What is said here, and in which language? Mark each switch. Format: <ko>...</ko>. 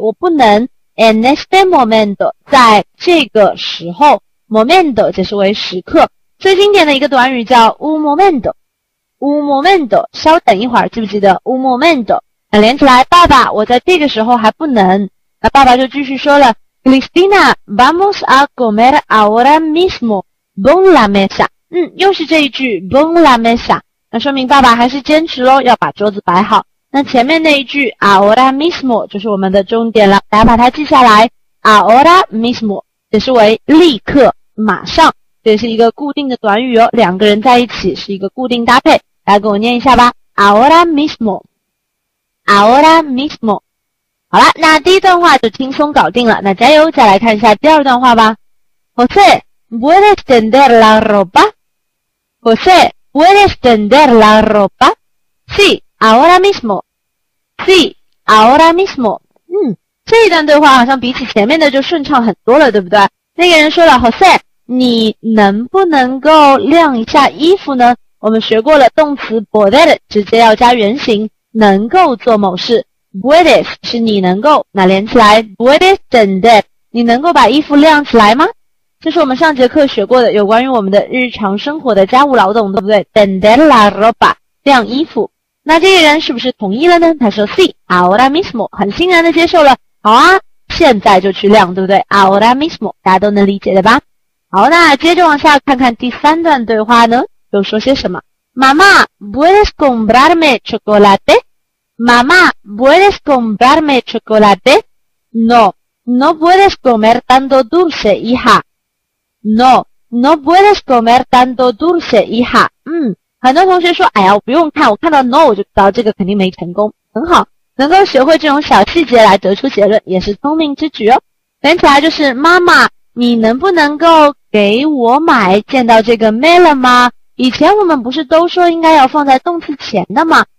<zh>我不能</zh> <es>en este momento</es> <zh>在这个时候 momento 解释为时刻，最经典的一个短语叫</zh> <es>un momento un momento</es> <zh>稍等一会儿，记不记得</zh> <es>un momento</es> <zh>连起来，爸爸我在这个时候还不能。那爸爸就继续说了，</zh> <es>Cristina, vamos a comer ahora mismo. Pon la mesa.</es> <zh>又是这一句</zh> <es>Pon la mesa.</es> <zh>那说明爸爸还是坚持咯，要把桌子摆好。那前面那一句</zh> <es>Ahora mismo</es> <zh>就是我们的重点了，大家把它记下来。</zh> <es>Ahora mismo</es> <zh>解释为立刻马上，这是一个固定的短语哦，两个人在一起是一个固定搭配，大家跟我念一下吧。</zh> <es>Ahora mismo. Ahora mismo.</es> <zh>好啦，那第一段话就轻松搞定了，那加油，再来看一下第二段话吧。</zh> <es>José, ¿puedes tender la ropa? José, ¿puedes tender la ropa? Sí, ahora mismo. Sí, ahora mismo.</es> <zh>这一段对话好像比起前面的就顺畅很多了，对不对？那个人说了， José, 你能不能够晾一下衣服呢？我们学过了动词 poder, 直接要加原形，能够做某事。 Puedes 是你能够，那连起来</zh> <es>Puedes tender</es> <zh>你能够把衣服晾起来吗？这是我们上节课学过的有关于我们的日常生活的家务劳动，对不对？</zh> <es>Tender la ropa</es> <zh>晾衣服。那这个人是不是同意了呢？他说</zh> <es>Sí, ahora mismo</es> <zh>很欣然的接受了，好啊，现在就去晾，对不对？</zh> <es>Ahora mismo</es> <zh>大家都能理解的吧。好，那接着往下看看第三段对话呢又说些什么。</zh> <es>Mamá, ¿puedes comprarme chocolate? Mamá, ¿puedes comprarme chocolate? No, no puedes comer tanto dulce, hija. No, no puedes comer tanto dulce, hija.</es> <zh>很多同学说，哎呀，我不用看，我看到 no 我就知道这个肯定没成功。很好，能够学会这种小细节来得出结论，也是聪明之举哦。连起来就是，妈妈，你能不能够给我买见到这个 melon 吗？以前我们不是都说应该要放在动词前的吗？</zh>